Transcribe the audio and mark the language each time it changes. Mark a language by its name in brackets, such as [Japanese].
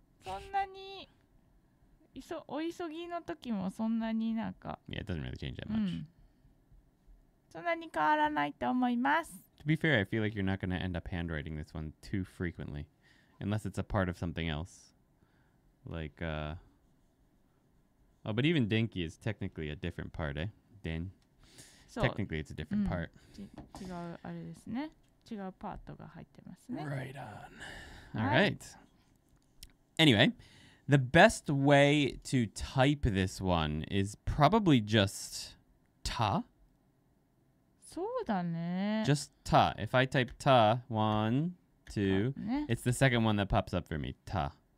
[Japanese] そんなにお急ぎの時もそんなになんか [English] Yeah, it doesn't really change that much. [Japanese] そんなに変わらないと思います。 [English] To be fair, I feel like you're not going to end up handwriting this one too frequently, unless it's a part of something else. Like, Oh, but even denki is technically a different part, eh? Den. So, technically, it's a different part. [Japanese] 違うあれですね。違うパートが入ってますね。 [English] Right on. All right. Anyway, the best way to type this one is probably just ta. [Japanese] そうだね。 [English] Just ta. If I type ta, one, two, it's the second one that pops up for me, ta.